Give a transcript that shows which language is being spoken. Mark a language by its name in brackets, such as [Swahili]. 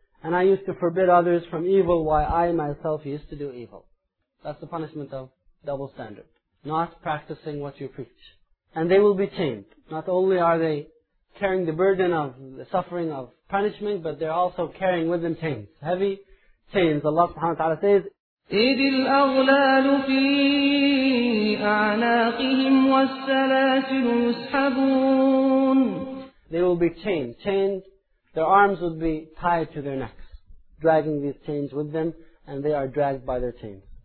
[English] And I used to forbid others from evil while I myself used to do evil. That's the punishment of double standard. Not practicing what you preach. And they will be chained. Not only are they carrying the burden of the suffering of punishment, but they're also carrying with them chains. Heavy chains. Allah subhanahu wa ta'ala says, [Arabic] إذ الأغلال في أعناقهم والسلاسل يسحبون. [English] They will be chained. Chained, their arms would be tied to their necks, dragging these chains with them, and they are dragged by their chains.